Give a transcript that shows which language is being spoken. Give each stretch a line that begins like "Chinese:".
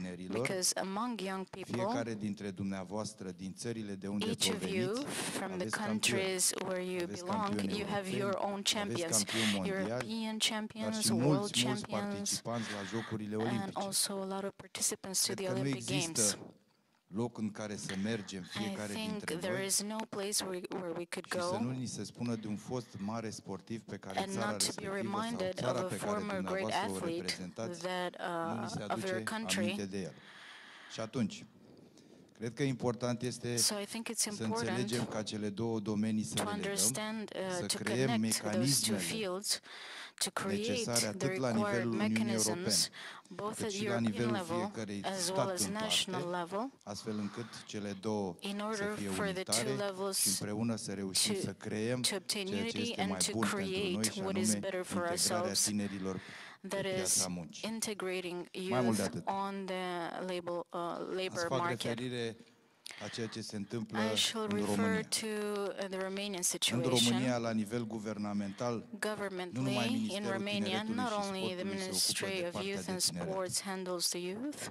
English: Because among young people, each of you from the countries where you belong, you have your own champions, European champions, world champions, and also a lot of participants to the Olympic Games.
Romanian: Loc în care să mergem fiecare dintre noi și să nu ni se spună de un fost mare sportiv pe care țara respectivă sau țara pe care dumneavoastră o reprezentați,
English: that,
Romanian: nu ni se aduce aminte de el. Și atunci, cred că important este să înțelegem ca cele două domenii să le legăm, să creem mecanismele
English: to create the required mechanisms, both at European level as well as national level,
Romanian: astfel încât cele două
English: in order
Romanian: să fie
English: for the two levels
Romanian: să reușim
English: to,
Romanian: să creem
English: to obtain unity and to create
Romanian: noi,
English: what is better for ourselves, that is integrating youth on the labor market.
Romanian: A ceea ce se întâmplă
English: I shall
Romanian: în
English: refer
Romanian: România.
English: To the Romanian situation.
Romanian: În România, la nivel guvernamental,
English: governmentally in Romania, not only the Ministry of Youth and Sports handles the youth.